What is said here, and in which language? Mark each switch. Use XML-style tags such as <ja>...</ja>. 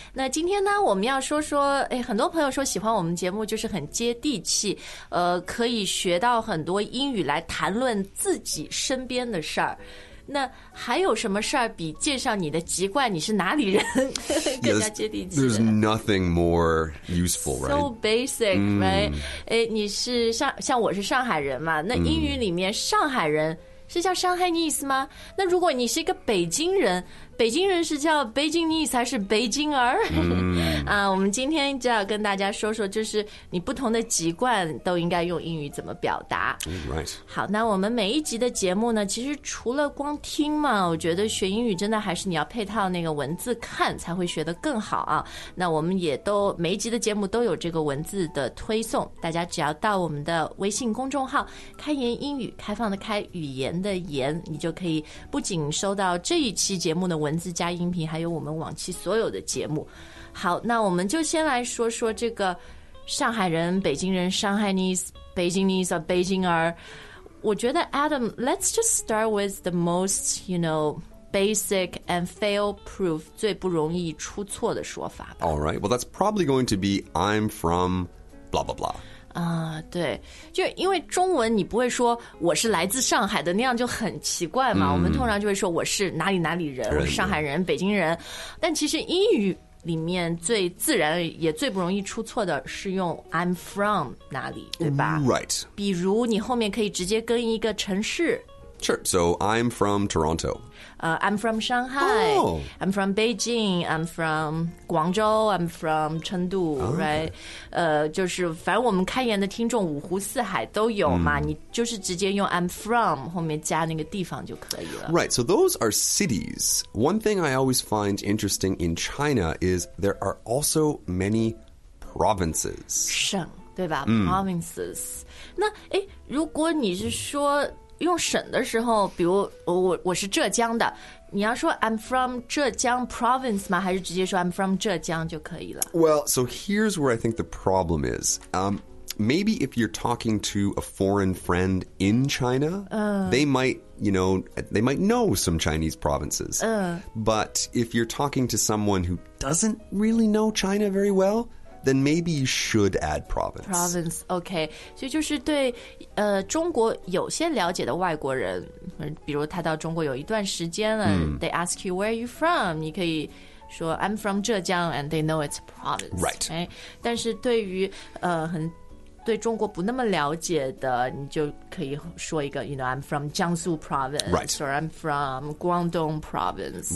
<zh>那今天呢，我们要说说，很多朋友说喜欢我们节目就是很接地气，可以学到很多英语来谈论自己身边的事儿。那还有什么事儿比介绍你的籍贯，你是哪里人，更加接地气的</zh> <en>？There's nothing more useful, right? So basic, right?</en> <zh>你是像我是上海人嘛？那英语里面上海人是叫上海 nese 吗？那如果你是一个北京人，北京人是叫 Beijingese 还是北京儿？我们今天就要跟大家说说，就是你不同的籍贯都应该用英语怎么表达。</zh> <en>Right.</en> <zh>好，那我们每一集的节目呢，其实除了光听嘛，我觉得学英语真的还是你要配套那个文字看才会学得更好啊。那我们也都每一集的节目都有这个文字的推送，大家只要到我们的微信公众号“开言英语”，开放的开，语言的言，你就可以不仅收到这一期节目的文字加音频，还有我们往期所有的节目。好，那我们就先来说说这个上海人、北京人、上海 nese、北京 nese 和北京儿。我觉得</zh> <en>Adam, let's just start with the most, you know, basic and fail-proof,</en> <zh>最不容易出错的说法吧。</zh> <en>All right, well, that's probably going to be I'm from blah, blah, blah.</en> <zh>对，就因为中文你不会说我是来自上海的，那样就很奇怪嘛。我们通常就会说我是哪里哪里人，我是上海人、北京人。但其实英语里面最自然也最不容易出错的是用</zh> <en>I'm from</en> <zh>哪里，对吧</zh> <en>？Right.</en> <zh>比如你后面可以直接跟一个城市。</zh> <en>Sure. So I'm from Toronto. I'm from Shanghai.、 Oh. I'm from Beijing. I'm from Guangzhou. I'm from Chengdu.、 Oh. Right.</en> <zh>就是反正我们开言的听众五湖四海都有嘛。你就是直接用</zh> <en>I'm from</en> <zh>后面加那个地方就可以了。</zh> <en>Right. So those are cities. One thing I always find interesting in China is there are also many provinces.</en> <zh>省对吧、Provinces. 那如果你是说用省的时候，比如我是浙江的，你要说</zh> <en>I'm from</en> <zh>浙江 province 吗？还是直接说</zh> <en>I'm from</en> <zh>浙江就可以了</zh> <en>？Well, so here's where I think the problem is. Maybe if you're talking to a foreign friend in China, they might, you know, they might know some Chinese provinces. But if you're talking to someone who doesn't really know China very well. Then maybe you should add province. Province, okay.</en> <zh>所以就是对中国有些了解的外国人，比如他到中国有一段时间了、</zh> <en>they ask you where are you from?</en> <zh>你可以说</zh> <en>I'm from</en> <zh>浙江</zh> <en>and they know it's province. Right. Okay?</en> <zh>但是对于对中国不那么了解的，你就可以说一个</zh> <en>you know, I'm from Jiangsu province. Right. Or I'm from Guangdong province.</en>